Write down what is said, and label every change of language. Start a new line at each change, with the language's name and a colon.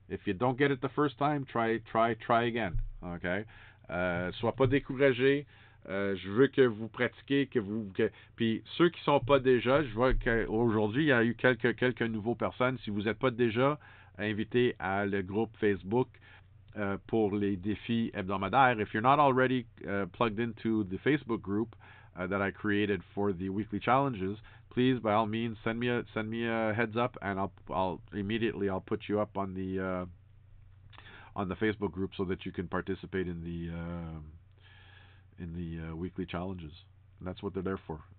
English: If you don't get it the first time, try again.
French: Okay? Sois pas découragé. Je veux que vous pratiquiez, puis ceux qui sont pas déjà, je vois qu'aujourd'hui, il y a eu quelques nouveaux personnes. Si vous êtes pas déjà invité à le groupe Facebook, pour les défis hebdomadaires.
English: If you're not already plugged into the Facebook group that I created for the weekly challenges, please, by all means, send me a heads up, and I'll immediately put you up on the Facebook group so that you can participate in the weekly challenges. And that's what they're there for.